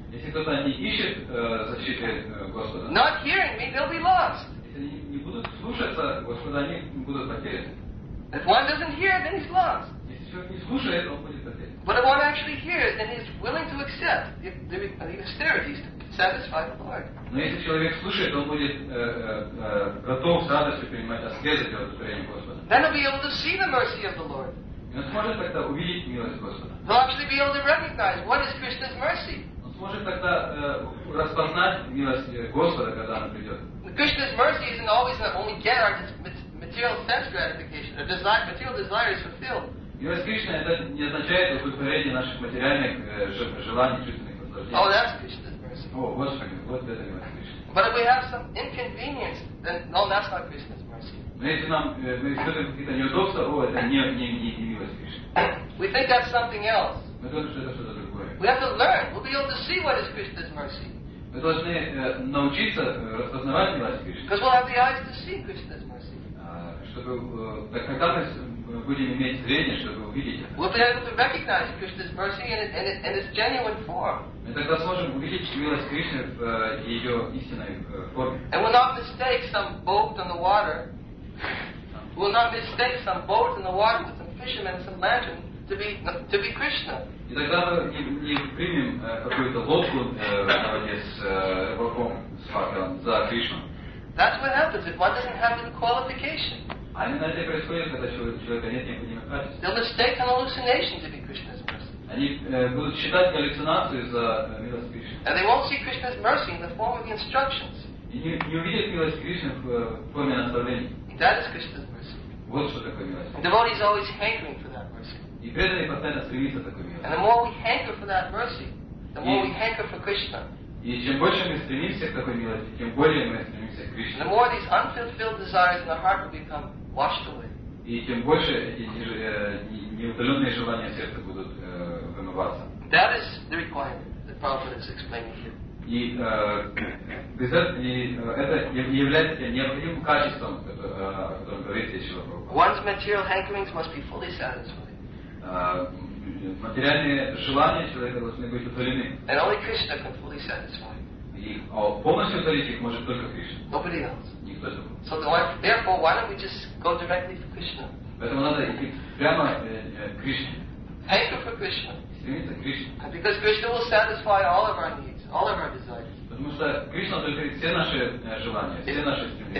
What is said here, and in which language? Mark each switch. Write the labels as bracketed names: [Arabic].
[Russian] Если кто-то не ищет защиты Господа. [English] Not hearing me, they'll be lost. [Russian] Если они не будут слушаться Господа, они будут потеряны. [English] If one doesn't hear, then he's lost. [Russian] Если человек не слушает, он будет потерян. [English] But if one actually hears, then he's willing to accept the austerities to satisfy the Lord. [Russian] Но если человек слушает, он будет готов с радостью принимать аскезы для удовлетворения Господа. [English] Then he'll be able to see the mercy of the Lord. [Russian] И он сможет тогда увидеть милость Господа. [English] He'll actually be able to recognize what is Krishna's mercy. [Russian] Он сможет тогда распознать милость Господа, когда она придет. [English] Krishna's mercy isn't always that only get our material sense gratification, our desire, material desire is fulfilled. [Russian] Милость Кришны это не означает удовлетворение наших материальных желаний, чувственных наслаждений. [English] Oh, that's Krishna's mercy. [Russian] О, Господи, вот это милость Кришны. [English] But if we have some inconvenience, then no, that's not Krishna's mercy. [Russian] Но если нам мы испытываем какие-то неудобства, о, это не милость Кришны. [English] We think that's something else. [Russian] Мы думаем, что это что-то другое. [English] We have to learn. We'll be able to see what is Krishna's mercy. [Russian] Мы должны научиться распознавать милость Кришны. [English] Because we'll have the eyes to see Krishna's mercy. [Russian] Будем иметь зрение, чтобы увидеть это. [English] We'll be able to recognize Krishna's mercy in its genuine form. [Russian] Мы тогда сможем увидеть милость Кришны в ее истинной форме. [English] And we'll not mistake some boat on the water. We'll not mistake some boat in the water with some fishermen and some lantern to be Krishna. [Russian] И тогда мы не примем какую-то лодку на воде с рыбаком, с факелом за Кришну. [English] That's what happens if one doesn't have the qualification. [Russian] А именно это происходит, когда человека нет необходимых качеств. [English] They'll mistake an hallucination to be Krishna's mercy. [Russian] Они будут считать галлюцинацию за милость Кришны. [English] And they won't see Krishna's mercy in the form of the instructions. [Russian] И не увидят милость Кришны в форме наставлений. [English] That is Krishna's mercy. [Russian] Вот что такое милость. [English] And devotee is always hankering for that mercy. [Russian] И преданный постоянно стремится к такой милости. [English] And the more we hanker for that mercy, the more we hanker for Krishna. [Russian] И чем больше мы стремимся к такой милости, тем более мы стремимся к Кришне. [English] And the more these unfulfilled desires in the heart will become washed away. [Russian] И тем больше эти неутоленные желания сердца будут вымываться. [English] That is the requirement that Prabhupada is explaining here. [Russian] Это является необходимым качеством, о котором говорит здесь Шрила Прабхупада. [English] One's material hankerings must be fully satisfied. [Russian] Материальные желания человека должны быть удовлетворены. [English] And only Krishna can fully satisfy. [Russian] И полностью удовлетворить их может только Кришна. [English] Nobody else. [Russian] Никто не может. [English] So therefore, why don't we just go directly for Krishna? [Russian] Поэтому надо идти прямо к Кришне. [English] Hanker for Krishna. [Russian] Стремиться к Кришне. [English] And because Krishna will satisfy all of our needs, all of our desires. [Russian] Потому что Кришна удовлетворит все наши желания, все наши стремления.